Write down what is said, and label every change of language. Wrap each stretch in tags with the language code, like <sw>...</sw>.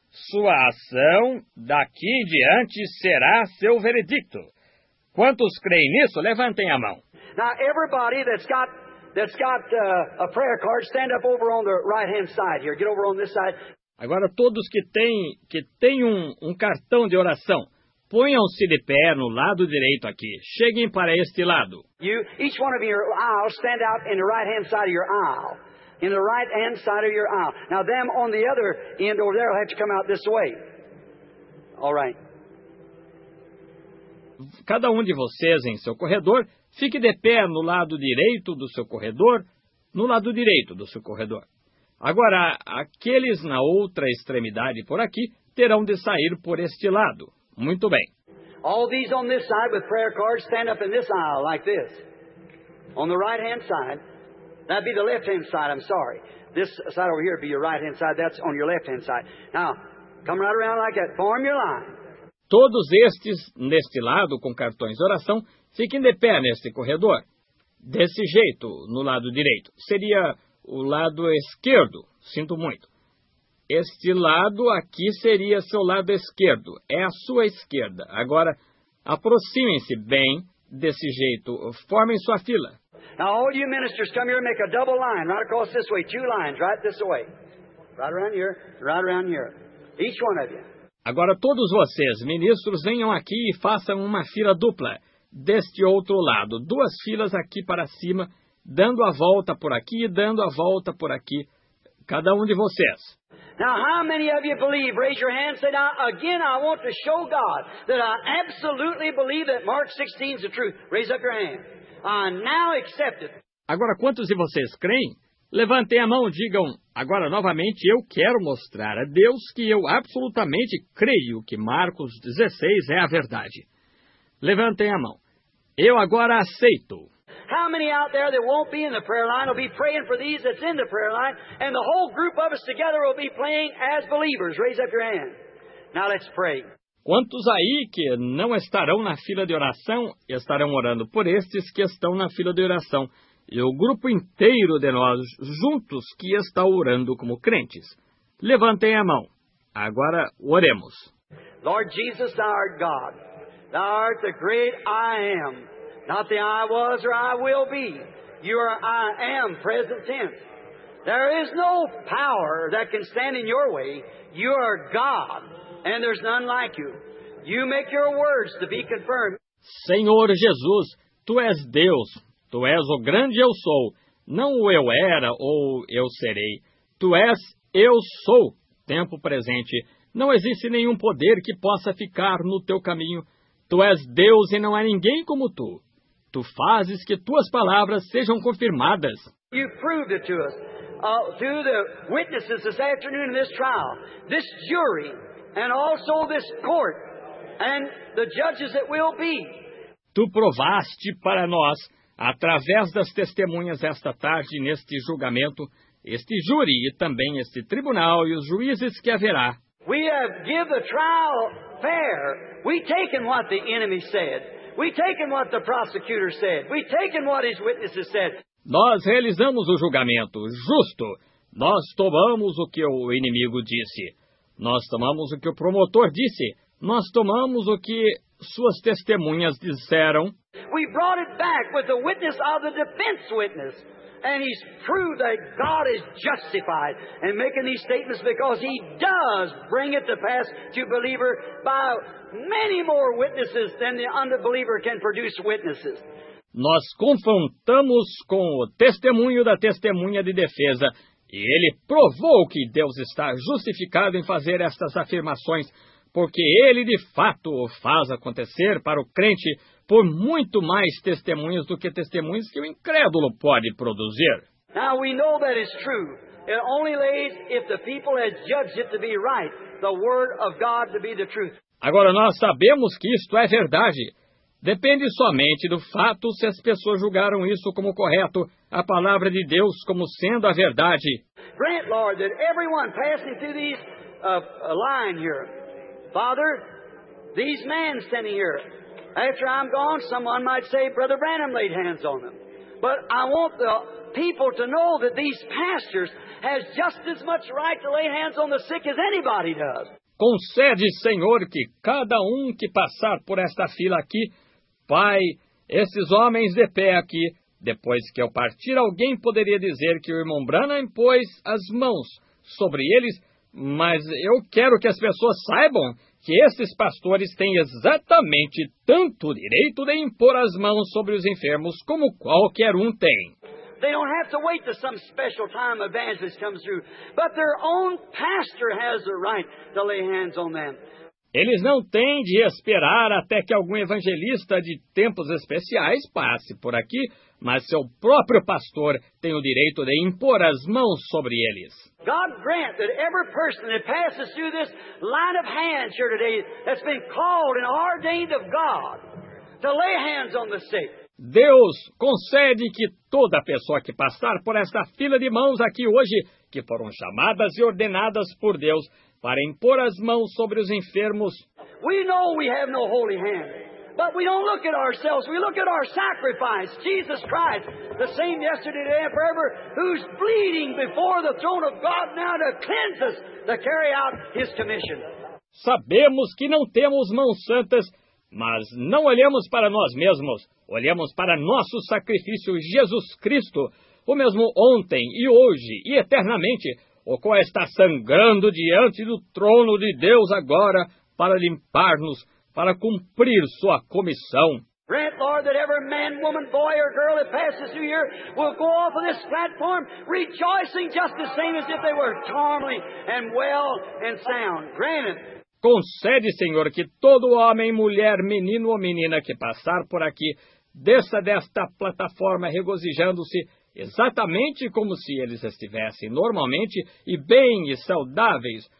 <pt>Sua ação daqui em diante será seu veredicto. Quantos creem nisso? Levantem a mão.</pt> <en>Now, everybody that's got a prayer card, stand up over on the right-hand side here. Get over on this side.</en> <pt>Agora, todos que têm um cartão de oração, ponham-se de pé no lado direito aqui. Cheguem para este lado.</pt> <en>You, each one of your aisles, stand out in the right-hand side of your aisle. In the right-hand side of your aisle. Now, them on the other end over there will have to come out this way. All right.</en> <pt>Cada de vocês em seu corredor, fique de pé no lado direito do seu corredor, no lado direito do seu corredor. Agora, aqueles na outra extremidade por aqui terão de sair por este lado. Muito bem.</pt> <en>All these on this side with prayer cards, stand up in this aisle like this. On the right-hand side. That'd be the left-hand side, I'm sorry. This side over here would be your right-hand side. That's on your left-hand side. Now, come right around like that. Form your line.</en> <pt>Todos estes, neste lado, com cartões de oração, fiquem de pé neste corredor. Desse jeito, no lado direito. Seria o lado esquerdo. Sinto muito. Este lado aqui seria seu lado esquerdo. É a sua esquerda. Agora, aproximem-se bem desse jeito. Formem sua fila.</pt> <en>Now, all you ministers, come here and make a double line right across this way. Two lines right this way. Right around here, right around here. Each one of you.</en> <pt>Agora, todos vocês, ministros, venham aqui e façam uma fila dupla. Deste outro lado, duas filas aqui para cima, dando a volta por aqui e dando a volta por aqui. Cada de vocês.</pt> <en>Now, how many of you believe? Raise your hand and say, now, again, I want to show God that I absolutely believe that Mark 16 is the truth. Raise up your hand. Now accepted.</en> <pt>Agora, quantos de vocês creem? Levantem a mão e digam, agora, novamente, eu quero mostrar a Deus que eu absolutamente creio que Marcos 16 é a verdade. Levantem a mão. Eu agora aceito.</pt> <en>How many out there that won't be in the prayer line will be praying for these that's in the prayer line, and the whole group of us together will be praying as believers. Raise up your hand. Now let's pray.</en> <pt>Quantos aí que não estarão na fila de oração estarão orando por estes que estão na fila de oração? E o grupo inteiro de nós juntos que está orando como crentes. Levantem a mão. Agora oremos.</pt> <en>Lord Jesus, thou art God. Thou art the great I am. Not the I was or I will be. You are I am, present tense. There is no power that can stand in your way. You are God. And there's none like you. You make your words to be confirmed.</en> <pt>Senhor Jesus, tu és Deus. Tu és o grande eu sou. Não o eu era ou eu serei. Tu és eu sou. Tempo presente. Não existe nenhum poder que possa ficar no teu caminho. Tu és Deus e não há ninguém como tu. Tu fazes que tuas palavras sejam confirmadas.</pt> <en>You proved it to us. Through the witnesses this afternoon in this trial, this jury... And also this court and the judges that will be.</en> <pt>Tu provaste para nós, através das testemunhas esta tarde neste julgamento, este júri e também este tribunal e os juízes que haverá.</pt> <en>We have given the trial fair. We taken what the enemy said. We taken what the prosecutor said. We taken what his witnesses said.</en> <pt>Nós realizamos o julgamento justo. Nós tomamos o que o inimigo disse. Nós tomamos o que o promotor disse. Nós tomamos o que suas testemunhas disseram.</pt> <en>We brought it back with the witness of the defense witness. And he's proved that God is justified in making these statements because he does bring it to pass to believer by many more witnesses than the unbeliever can produce witnesses.</en> <pt>Nós confrontamos com o testemunho da testemunha de defesa. E ele provou que Deus está justificado em fazer estas afirmações, porque ele de fato o faz acontecer para o crente por muito mais testemunhos do que testemunhos que o incrédulo pode produzir.</pt> <en>Now we know that is true. It only lays if the people has judged it to be right, the word of God to be the truth.</en> <pt>Agora nós sabemos que isto é verdade. Depende somente do fato se as pessoas julgaram isso como correto, a palavra de Deus como sendo a verdade.</pt> <en>Grant, Lord, that everyone passing through these line here, Father, these men standing here, After I'm gone, someone might say Brother Branham laid hands on them. But I want the people to know that these pastors has just as much right to lay hands on the sick as anybody does.</en> <pt>Concede, Senhor, que cada que passar por esta fila aqui, Pai, esses homens de pé aqui, depois que eu partir, alguém poderia dizer que o irmão Branham impôs as mãos sobre eles, mas eu quero que as pessoas saibam que esses pastores têm exatamente tanto direito de impor as mãos sobre os enfermos como qualquer tem.</pt> <en>They don't have to wait till some special time evangelist comes through, but their own pastor has the right to lay hands on them.</en> <pt>Eles não têm de esperar até que algum evangelista de tempos especiais passe por aqui, mas seu próprio pastor tem o direito de impor as mãos sobre eles.</pt> <en>God grant that every person that passes through this line of hands here today that's been called and ordained of God to lay hands on the sick.</en> <pt>Deus concede que toda pessoa que passar por esta fila de mãos aqui hoje, que foram chamadas e ordenadas por Deus para impor as mãos sobre os enfermos.</pt> <en>We know we have no holy hand, but we don't look at ourselves, we look at our sacrifice, Jesus Christ, the same yesterday, today, and forever, who's bleeding before the throne of God now to cleanse us, to carry out his commission.</en> <pt>Sabemos que não temos mãos santas, mas não olhamos para nós mesmos, olhamos para nosso sacrifício, Jesus Cristo, o mesmo ontem e hoje e eternamente, o qual está sangrando diante do trono de Deus agora para limpar-nos, para cumprir sua comissão.</pt> <en>Grant, Lord, that every man, woman, boy or girl that passes through here will go off of this platform rejoicing just the same as if they were charmly and well and sound. Grant it.</en> <pt>Concede, Senhor, que todo homem, mulher, menino ou menina que passar por aqui desça desta plataforma regozijando-se exatamente como se eles estivessem normalmente e bem e saudáveis.</pt>